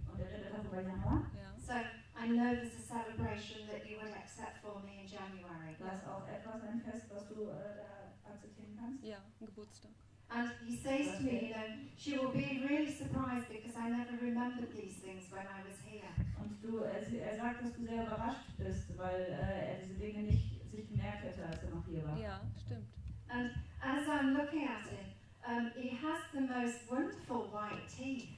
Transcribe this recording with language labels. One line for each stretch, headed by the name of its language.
English: So I know there's a celebration that you would accept for me in January.
German: Das auch etwas ein Fest, was du da akzeptieren kannst? Ja, Geburtstag.
English: And he says to me, you know, she will be really surprised because I never remembered these things when I was here.
German: Und du, er sagt, dass du sehr überrascht bist, weil er diese Dinge nicht sich gemerkt hätte, als er noch hier war. Ja, stimmt.
English: And as I'm looking at him, he has the most wonderful white teeth.